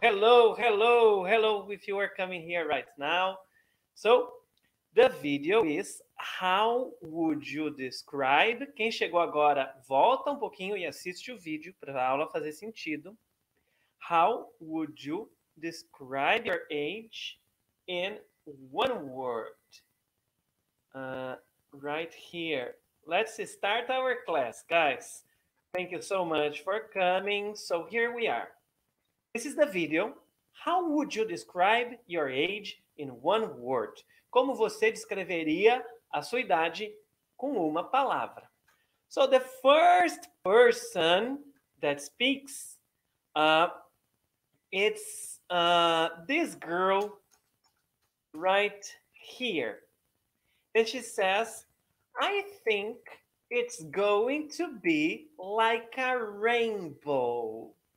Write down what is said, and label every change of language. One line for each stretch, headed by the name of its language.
English: Hello, hello, hello, if you are coming here right now. So, the video is how would you describe...
Portuguese: Quem chegou agora, volta um pouquinho e assiste o vídeo para a aula fazer sentido.
English: How would you describe your age... In one word, right here. Let's start our class, guys. Thank you so much for coming. So here we are. This is the video. How would you describe your age in one word?
Portuguese: Como você descreveria a sua idade com uma palavra?
English: So the first person that speaks, it's this girl. Right here. And she says, I think it's going to be like a rainbow.